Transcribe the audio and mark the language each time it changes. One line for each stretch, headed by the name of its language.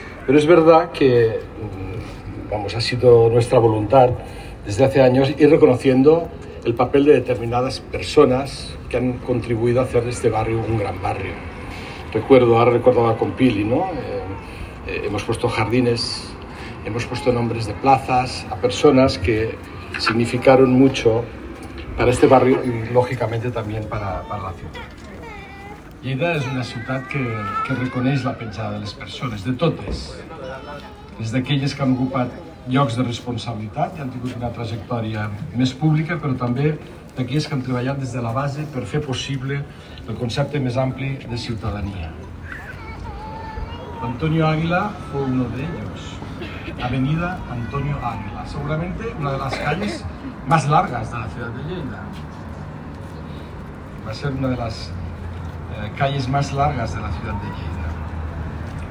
Spanish: Pero es verdad que, vamos, ha sido nuestra voluntad desde hace años ir reconociendo el papel de determinadas personas que han contribuido a hacer de este barrio un gran barrio. Recuerdo, ahora recordaba con Pili, ¿no? Hemos puesto jardines, hemos puesto nombres de plazas a personas que significaron mucho para este barrio y, lógicamente, también para la ciudad. Lleida es una ciudad que reconeix la pensada de las personas,
Catalan: de totes, des d'aquelles que han ocupat llocs de responsabilitat i han tingut una trajectòria més pública, però també d'aquelles que han treballat des de la base per fer possible el concepte més ampli de ciutadania.
Spanish: Antonio Águila fue uno de ellos, Avenida Antonio Águila, seguramente una de las calles más largas de la ciudad de Lleida. Va a ser una de las calles más largas de la ciudad de Lleida.